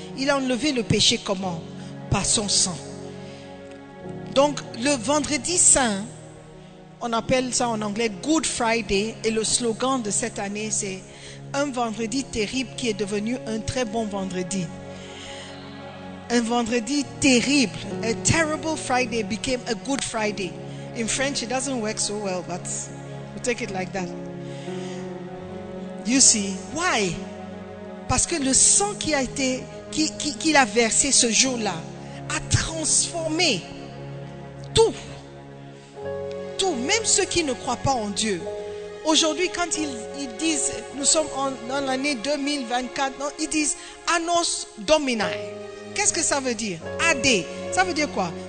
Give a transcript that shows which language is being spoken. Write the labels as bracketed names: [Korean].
[French] Il a enlevé le péché comment? Par son sang. Donc, le vendredi saint, on appelle ça en anglais Good Friday, et le slogan de cette année, c'est un vendredi terrible qui est devenu un très bon vendredi. Un vendredi terrible. [English] A terrible Friday became a good Friday. In French, it doesn't work so well, but we'll take it like that. You see, why? [French] Parce que le sang qu'il a versé ce jour-là a transformé tout. Tout, même ceux qui ne croient pas en Dieu. Aujourd'hui, quand ils disent, nous sommes dans l'année 2024, non, ils disent, Annos Domini. Qu'est-ce que ça veut dire? AD. Ça veut dire quoi?